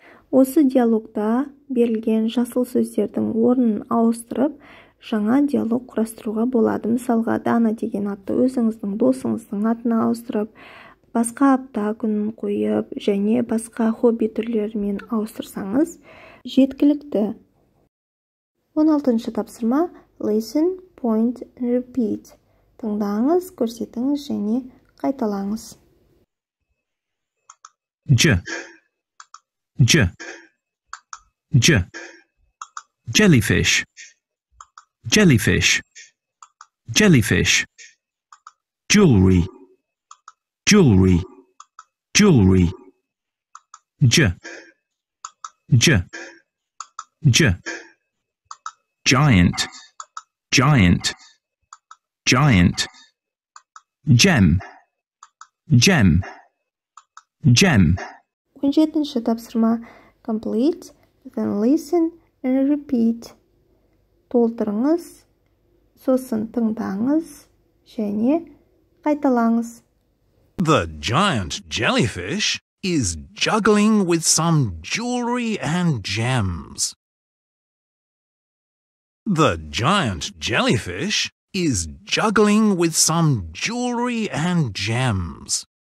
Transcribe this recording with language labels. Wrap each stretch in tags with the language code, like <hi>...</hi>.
<kk>Осы диалогта берілген жасыл сөздердің орнын ауыстырып, жаңа диалог құрастыруға болады. Мысалға, Дана деген атты өзіңіздің досыңыздың атына ауыстырып, басқа апта күнін қойып, және басқа хобби түрлерімен ауыстырсаңыз, жеткілікті. 16-шы тапсырма</kk> <en>Listen, Point, Repeat.</en> <kk>Тыңдаңыз, көрсетіңіз және қайталаңыз.</kk> <en>Ж. Ж. Ж. Jellyfish. Jellyfish. Jellyfish. Jewelry. Jewelry. Jewelry. Ж. Ж. Ж. Giant. Giant. Giant. Gem. Gem. Gem.</en> <kk>17-ші тапсырма.</kk> <en>Complete, then listen and repeat.</en> <kk>Толтырыңыз, сосын тыңдаңыз, және қайталаңыз.</kk> <en>The giant jellyfish is juggling with some jewelry and gems. The giant jellyfish is juggling with some jewelry and gems.</en>